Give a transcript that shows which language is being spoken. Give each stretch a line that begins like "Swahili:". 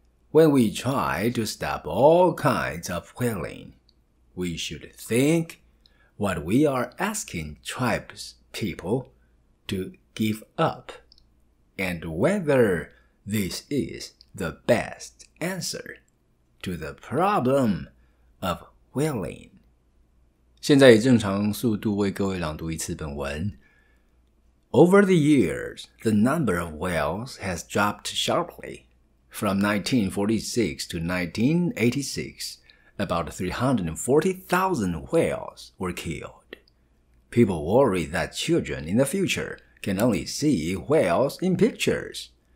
English: When we try to stop all kinds of whaling, we should think what we are asking tribespeople to give up. And whether this is the best answer to the problem of whaling.
Chinese: 现在以正常速度为各位朗读一次本文。
English: Over the years, the number of whales has dropped sharply. From 1946 to 1986, about 340,000 whales were killed. People worry that children in the future can only see whales in pictures.